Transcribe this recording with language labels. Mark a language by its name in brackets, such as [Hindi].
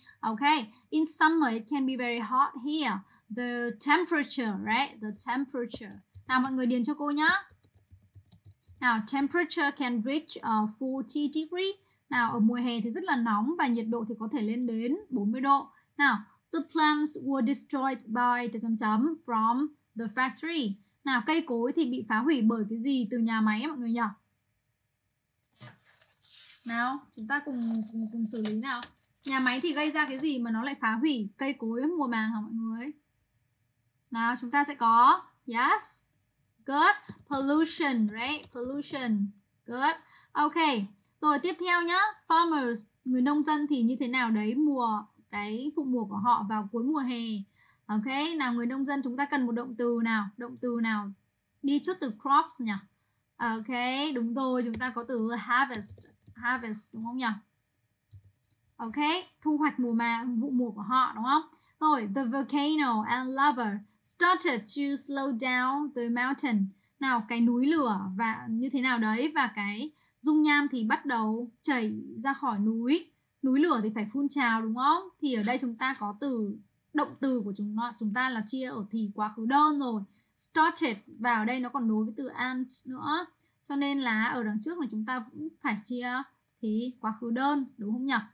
[English] Ok, in summer it can be very hot here. The temperature, right? The temperature. [Vietnamese] Nào mọi người điền cho cô nhá. [English] Now, temperature can reach 40 degree. [Vietnamese] Nào ở mùa hè thì rất là nóng và nhiệt độ thì có thể lên đến 40 độ. [English] Now, the plants were destroyed by from the factory. [Vietnamese] Nào, cây cối thì bị phá hủy bởi cái gì từ nhà máy mọi người nhỉ? Nào, chúng ta cùng xử lý nào. Nhà máy thì gây ra cái gì mà nó lại phá hủy cây cối mùa màng hả mọi người? Nào, chúng ta sẽ có [English] yes, good, pollution, right, pollution, good. [Vietnamese] Ok, rồi tiếp theo nhá. Farmers, người nông dân thì như thế nào đấy? Mùa, cái vụ mùa của họ vào cuối mùa hè. Ok, nào người nông dân chúng ta cần một động từ nào? Động từ nào? Đi trước từ crops nhỉ? Ok, đúng rồi, chúng ta có từ harvest. Harvest, đúng không nhỉ? Ok, thu hoạch mùa màng, vụ mùa của họ, đúng không? [English] Rồi, the volcano and lava started to slow down the mountain. [Vietnamese] Nào, cái núi lửa và như thế nào đấy? Và cái dung nham thì bắt đầu chảy ra khỏi núi. Núi lửa thì phải phun trào, đúng không? Thì ở đây chúng ta có từ... động từ của chúng ta là chia ở thì quá khứ đơn rồi. Started vào đây nó còn nối với từ and nữa. Cho nên là ở đằng trước là chúng ta cũng phải chia thì quá khứ đơn, đúng không nhỉ?